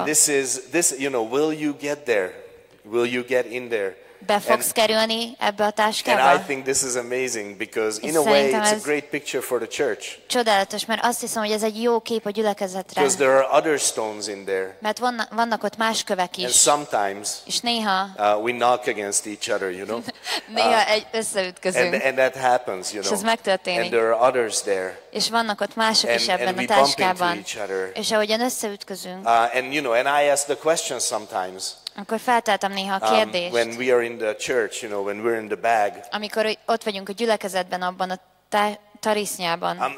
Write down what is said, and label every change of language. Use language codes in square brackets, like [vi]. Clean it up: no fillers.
[en] And this is, you know, will you get there? Will you get in there? [hu] Be fogsz kerülni ebbe a táskába? [en] And I think this is amazing because in a way it's a great picture for the church. [hu] Csodálatos, mert azt hiszem, hogy ez egy jó kép a gyülekezetre. [en] Because there are other stones in there. [hu] Mert vannak ott más kövek is. [en] And sometimes. [hu] És néha. [en] We knock against each other, you know. [hu] Néha összeütközünk. [en] And that happens, you know. [hu] És ez megtörténik. [en] And there are others there. [hu] És vannak ott mások is ebben a táskában. [en] And we bump into each other. [hu] És ahogyan összeütközünk. [en] And you know, and I ask the question sometimes. [hu] Amikor feltettem néha a kérdést. [en] When we are in the church, you know, when we're in the bag. [hu] Amikor ott vagyunk a gyülekezetben, abban a tarisznyában.